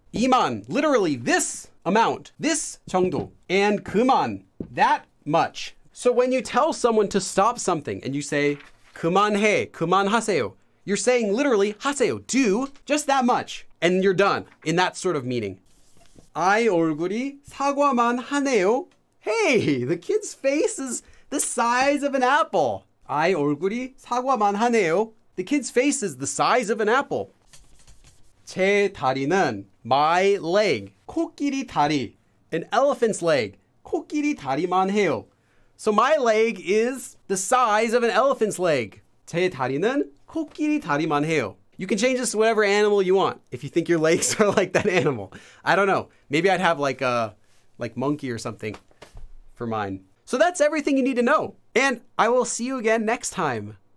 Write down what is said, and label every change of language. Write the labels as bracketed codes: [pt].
[en] 이만, literally this amount, this 정도, and 그만, that much. So when you tell someone to stop something and you say [ko] 그만해, 그만하세요, [en] you're saying literally 하세요, do just that much, and you're done in that sort of meaning. [ko] 아이 얼굴이 사과만 하네요. [en] Hey, the kid's face is the size of an apple. [ko] 아이 얼굴이 사과만 하네요. [en] The kid's face is the size of an apple. [ko] 제 다리는 [en] my leg, [ko] 코끼리 다리, [en] an elephant's leg, [ko] 코끼리 다리만 해요. [en] So my leg is the size of an elephant's leg. [ko] 제 다리는 코끼리 다리만 해요. [en] You can change this to whatever animal you want if you think your legs are like that animal. I don't know. Maybe I'd have like monkey or something for mine. So that's everything you need to know. And I will see you again next time.